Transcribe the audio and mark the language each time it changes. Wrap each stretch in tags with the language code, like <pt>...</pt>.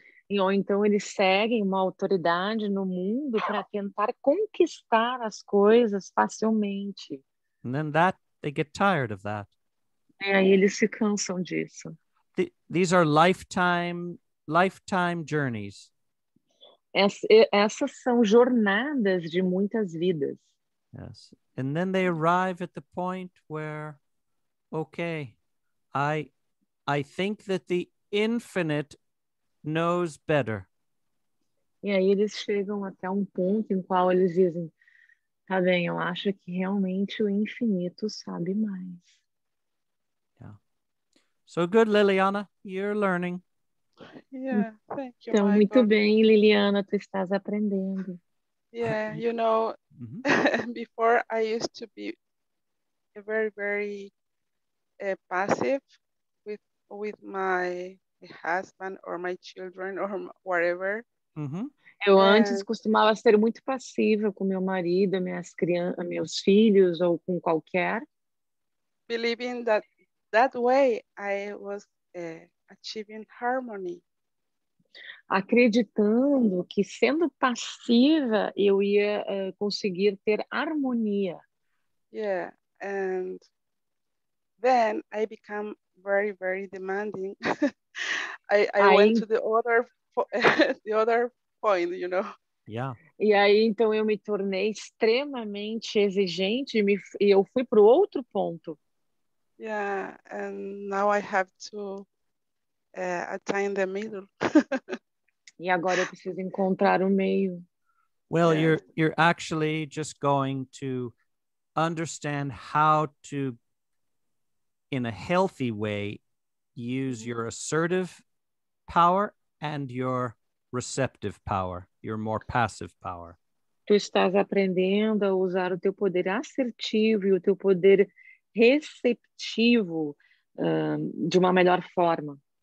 <pt>Ou então eles seguem uma autoridade no mundo para tentar conquistar as coisas facilmente.</pt> <en>And then that, they get tired of that.</en> <pt>E aí eles se cansam disso.</pt> <en>These are lifetime journeys.</en> <pt>Essas são jornadas de muitas vidas. Yes.</pt> <en>And then they arrive at the point where, okay, I think that the infinite knows better.</en> <pt>E aí eles chegam até um ponto em qual eles dizem, tá bem, eu acho que realmente o infinito sabe mais.</pt> <en>Yeah. So good, Liliana, you're learning. Thank you,</en> <pt>então,</pt> <en>Michael.</en> <pt>Muito bem, Liliana, tu estás aprendendo.</pt> <en>Yeah, you know, mm-hmm. before I used to be very, very passive with my husband or my children or whatever. Mm-hmm.</en> <pt>Eu antes costumava ser muito passiva com meu marido, minhas crianças, meus filhos ou com qualquer.</pt> <en>Believing that that way I was achieving harmony.</en> <pt>Acreditando que sendo passiva eu ia conseguir ter harmonia.</pt> <en>Yeah, and then I became very, very demanding. I went to the other point, you know. Yeah.</en> <pt>E aí então eu me tornei extremamente exigente e eu fui para o outro ponto.</pt> <en>Yeah, and now I have to attain the middle.</en> <pt>E agora eu preciso encontrar o meio.</pt> <en>Well, yeah. you're actually just going to understand how to, in a healthy way, use your assertive power and your receptive power, your more passive power.</en> <pt>Tu estás aprendendo a usar o teu poder assertivo e o teu poder receptivo de uma melhor forma.</pt>